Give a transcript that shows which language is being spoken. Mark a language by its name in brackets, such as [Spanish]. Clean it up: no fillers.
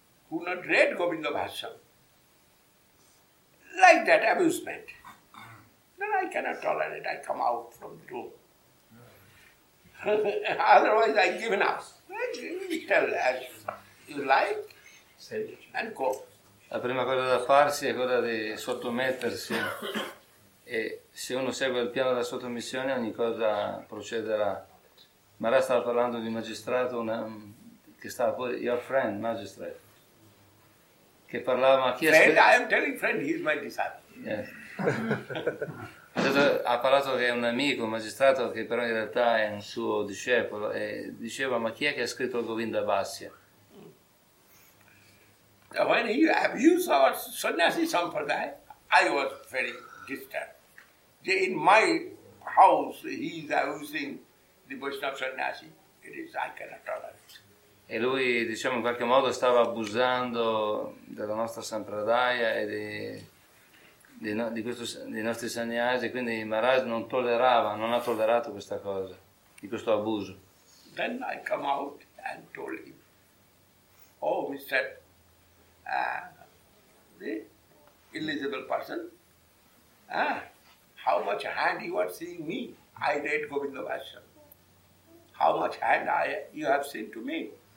[English] Who not read Govinda Bhashyam. Like that abusement. Then I cannot tolerate, I come out from the room. Otherwise I give enough. Tell as you like and go. [Italian] La prima cosa da farsi è quella di sottomettersi. E se uno segue il piano della sottomissione ogni cosa procederà. Mara stava parlando di magistrato, che stava poi, [English] your friend, magistrate. [Italian] Che parlava, chi [English] friend, I am telling friend, he is my disciple. Yeah. [Italian] Ha parlato che è un amico, un magistrato, che però in realtà è un suo discepolo, e diceva, ma chi è che ha scritto Govinda Bhashya? [English] When he abused our sannyasi sampradaya, I was very disturbed. In my house, he is abusing the Vaishnava sannyasi. it is I cannot tolerate. [Italian] E lui, diciamo, in qualche modo stava abusando della nostra sampradaya e dei nostri sannyasi, quindi Maharaj non tollerava, non ha tollerato questa cosa, di questo abuso. [English] Then I come out and told him, oh, Mr. The illegible person, how much hand you are seeing me? I read Govinda Vashyam. How much hand you have seen to me?